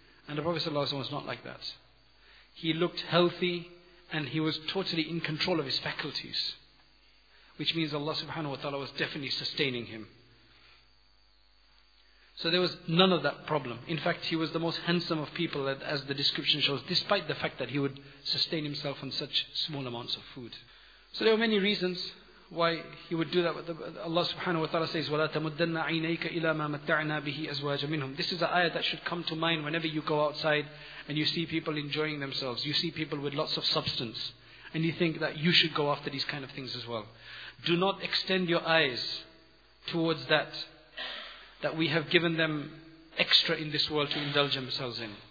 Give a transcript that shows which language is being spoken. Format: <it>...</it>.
<en>And the Prophet sallallahu alayhi wa sallam was not like that. He looked healthy and he was totally in control of his faculties, which means Allah subhanahu wa ta'ala was definitely sustaining him. So there was none of that problem. In fact, he was the most handsome of people, as the description shows, despite the fact that he would sustain himself on such small amounts of food. So there were many reasons why he would do that. Allah subhanahu wa ta'ala says,</en> <ar>وَلَا تَمُدَّنَّ عَيْنَيْكَ إِلَى مَا مَتَّعْنَا بِهِ أَزْوَاجًا مِنْهُمْ.</ar> <en>This is an ayah that should come to mind whenever you go outside and you see people enjoying themselves. You see people with lots of substance. And you think that you should go after these kind of things as well. Do not extend your eyes towards that we have given them extra in this world to indulge themselves in.</en>